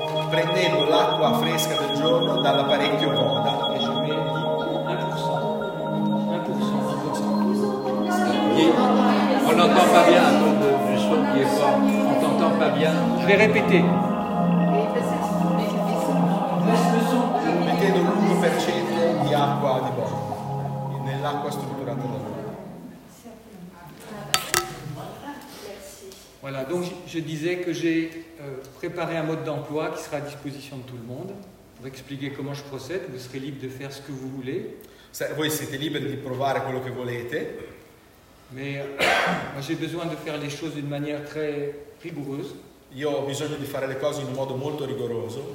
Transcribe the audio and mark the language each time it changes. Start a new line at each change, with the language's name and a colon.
Italian: Prendendo l'acqua fresca del giorno dall'apparecchio Voda. E ci metti
French: On n'entend pas bien, donc le son qui est fort. On t'entend pas bien. Je vais répéter.
Italian: Mettendo l'1% di acqua di Voda. Nell'acqua strutturata da Voda.
French: Voilà, donc je disais que j'ai préparé un mode d'emploi qui sera à disposition de tout le monde pour expliquer comment je procède. Vous serez libre de faire ce que vous voulez.
Italian: Voi siete liberi di provare quello che volete.
French: Mais moi j'ai besoin de faire les choses d'une manière très rigoureuse.
Italian: Io ho bisogno di fare le cose in un modo molto rigoroso.